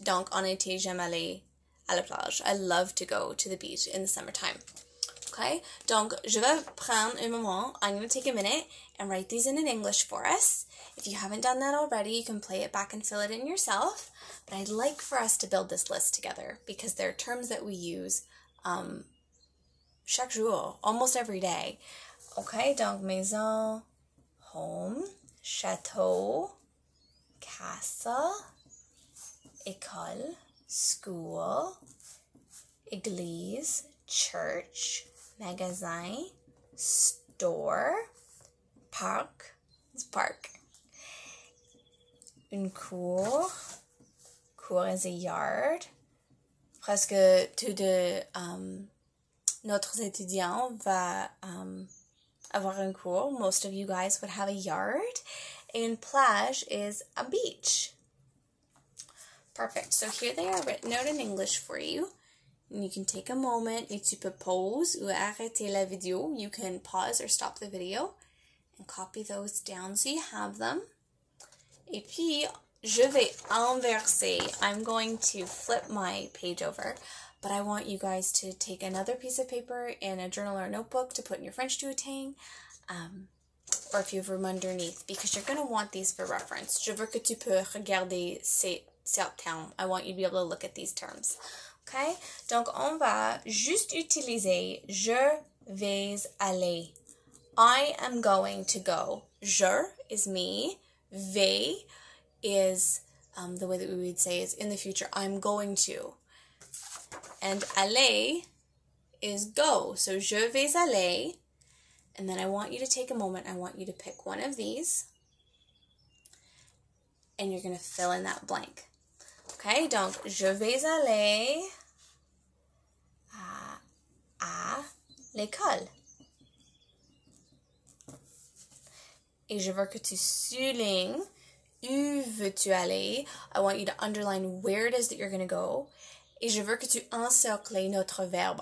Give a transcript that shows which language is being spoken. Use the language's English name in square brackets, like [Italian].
[French] Donc, en été, j'aime aller à la plage. [English] I love to go to the beach in the summertime. Okay? [French] Donc, je vais prendre un moment. [English] I'm going to take a minute and write these in English for us. If you haven't done that already, you can play it back and fill it in yourself. But I'd like for us to build this list together because there are terms that we use [French] chaque jour, [English] almost every day. Okay? Donc, maison, home. Château, castle, école, school, église, church, magasin, store, parc, it's park. Une cour is a yard. [French] Presque tout de notre étudiant va avoir un cours. [English] Most of you guys would have a yard. And plage is a beach. Perfect. So here they are written out in English for you. And you can take a moment [French] et tu peux pause ou arrêter la vidéo. [English] You can pause or stop the video and copy those down so you have them. [French] Et puis, je vais inverser. [English] I'm going to flip my page over. But I want you guys to take another piece of paper in a journal or a notebook to put in your French duotang. Or if you have room underneath, because you're going to want these for reference. [French] Je veux que tu peux regarder ces termes. [English] I want you to be able to look at these terms. Okay? [French] Donc, on va juste utiliser je vais aller. [English] I am going to go. Je is me. Vais is the way that we would say is in the future. I'm going to. And aller is go. So, [French] je vais aller. [English] And then I want you to take a moment. I want you to pick one of these. And you're going to fill in that blank. [French] Okay, donc, je vais aller à l'école. Et je veux que tu soulignes où veux-tu aller. [English] I want you to underline where it is that you're going to go. [French] Et je veux que tu encercles notre verbe.